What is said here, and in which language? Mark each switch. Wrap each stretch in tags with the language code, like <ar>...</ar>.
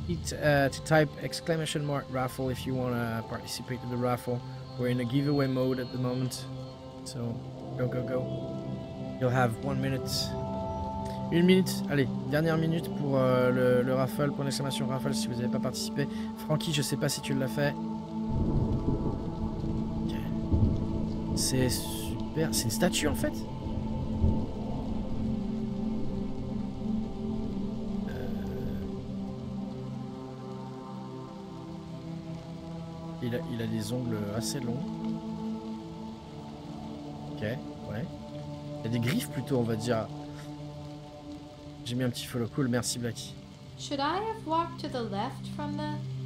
<en>to type exclamation mark raffle if you want to participate in the raffle. We're in a giveaway mode at the moment. So, go, go, go. You'll have 1 minute.</en> <fr>1 minute, allez, dernière minute pour le raffle, pour l'exclamation raffle si vous n'avez pas participé. Frankie, je sais pas si tu l'as fait. Okay. C'est super, c'est une statue en fait. Euh, Il a des ongles assez longs. Ok, ouais. Il a des griffes plutôt, on va dire. J'ai mis un petit follow cool, merci Blacky.</fr> <en>Should I have walked to the left from the...</en>